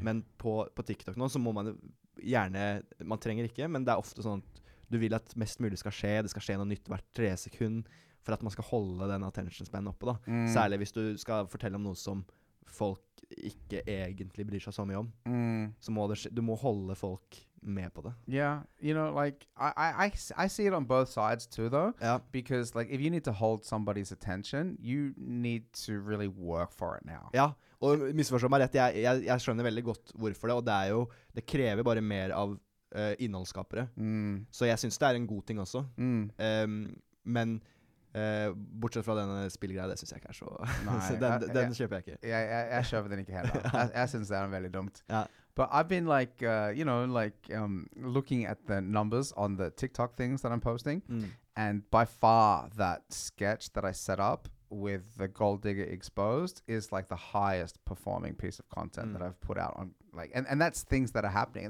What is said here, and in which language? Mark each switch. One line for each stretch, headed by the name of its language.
Norwegian: Men på TikTok nå, så må man gjerne, man trenger ikke, men det er ofte sånn at du vil at mest mulig skal skje, det skal skje noe nytt hvert 3 sekund, for at man skal holde den attention span oppe da. Mm. Særlig hvis du skal fortelle om noe som folk ikke egentlig bryr seg så mye om. Mm. Så må du må holde folk med på det.
English: Yeah, you know, like, I see it on both sides too though. Yeah. Because like, if you need to hold somebody's attention, you need to really work for it now.
Norwegian: Ja, og misforstå meg rett, jeg skjønner veldig godt hvorfor det, og det er jo, det krever bare mer av innholdsskapere. Så jeg synes det er en god ting også. Men bortsett fra denne spillgreia, det synes jeg ikke er så... Nei, den kjøper jeg ikke. Jeg kjøper den ikke heller. jeg synes det er veldig dumt. Ja.
English: But I've been like, you know, like looking at the numbers on the TikTok things that I'm posting. And by far that sketch that I set up with the gold digger exposed is like the highest performing piece of content that I've put out on, like, and that's things that are happening.